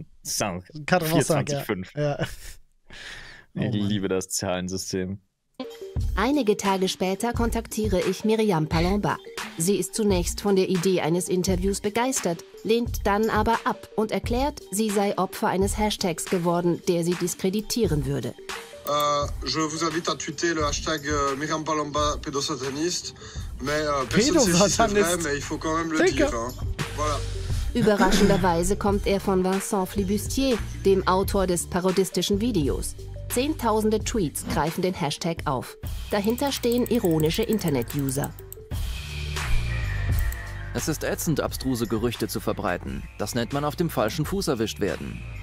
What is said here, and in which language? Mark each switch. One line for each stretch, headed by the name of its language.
German: 425. Ich liebe das Zahlensystem. Einige Tage später kontaktiere ich Myriam Palomba. Sie ist zunächst von der Idee eines Interviews begeistert, lehnt dann aber ab und erklärt, sie sei Opfer eines Hashtags geworden, der sie diskreditieren würde.
French: Je vous invite à tweeter le hashtag Myriam Palomba pédosataniste, mais personne ne sait si c'est vrai, mais il faut quand même le dire. Hein. Voilà.
German: Überraschenderweise kommt er von Vincent Flibustier, dem Autor des parodistischen Videos. Zehntausende Tweets greifen den Hashtag auf. Dahinter stehen ironische Internet-User. Es ist ätzend, abstruse Gerüchte zu verbreiten. Das nennt man auf dem falschen Fuß erwischt werden.